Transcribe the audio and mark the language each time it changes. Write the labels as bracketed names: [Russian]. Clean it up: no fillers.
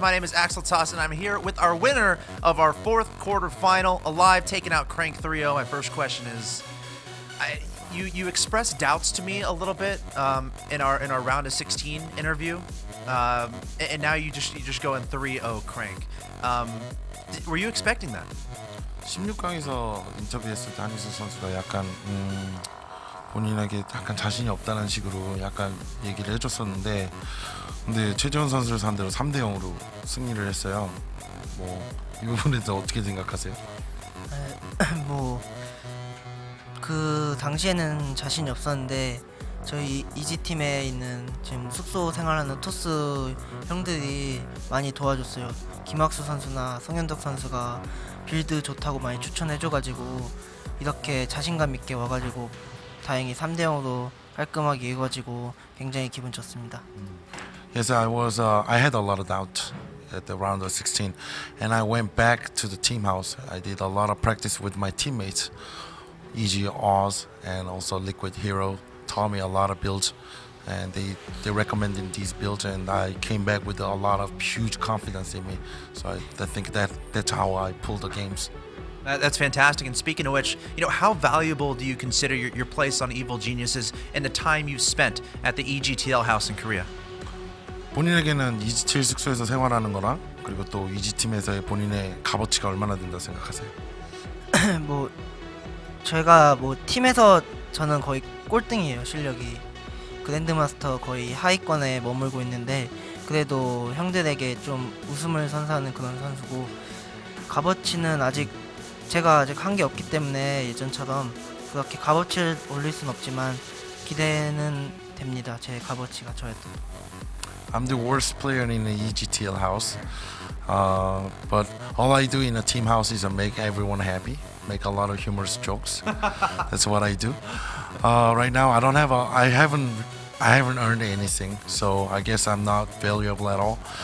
[English] My name is Axel Toss, and I'm here with our winner of our fourth quarterfinal, Alive, taking out Crank 3-0. My first question is, you expressed doubts to me a little bit in our round of 16 interview, and now you just go in 3-0 Crank. Were you expecting that? [Korean] 16강에서 인터뷰했을 때 한희수 선수가 약간 본인에게 약간 자신이 없다는 식으로 약간 얘기를 해줬었는데, 근데 최재원 선수를 상대로 3-0으로 승리를 했어요. 뭐 이 부분에서 어떻게 생각하세요? 뭐 그 당시에는 자신이 없었는데, 저희 이지 팀에 있는 지금 숙소 생활하는 토스 형들이 많이 도와줬어요. 김학수 선수나 성현덕 선수가 빌드 좋다고 많이 추천해줘가지고 이렇게 자신감 있게 와가지고 다행히 3-0으로 깔끔하게 이겨지고 굉장히 기분 좋습니다. [English] Yes, I had a lot of doubt at the round of 16, and I went back to the team house. I did a lot of practice with my teammates, EG Oz and also Liquid Hero taught me a lot of builds, and they recommended these builds, and I came back with a lot of huge confidence in me. So I think that's how I pulled the games. That's fantastic. And speaking of which, you know, how valuable do you consider your place on Evil Geniuses and the time you've spent at the EGTL house in Korea? [Korean] 본인에게는 EGTL 숙소에서 생활하는 거랑 그리고 또 EG 팀에서의 본인의 값어치가 얼마나 된다 생각하세요? 뭐 제가 뭐 팀에서 저는 거의 꼴등이에요, 실력이. 그랜드마스터 거의 하위권에 머물고 있는데, 그래도 형들에게 좀 웃음을 선사하는 그런 선수고, 값어치는 아직 제가 아직 한 게 없기 때문에 예전처럼 그렇게 값어치를 올릴 순 없지만 기대는 됩니다. 제 값어치가 저였던. [English] I'm the worst player in the EGTL house, but all I do in a team house is make everyone happy, make a lot of humorous jokes. That's what I do. Right now, I haven't earned anything, so I guess I'm not valuable at all.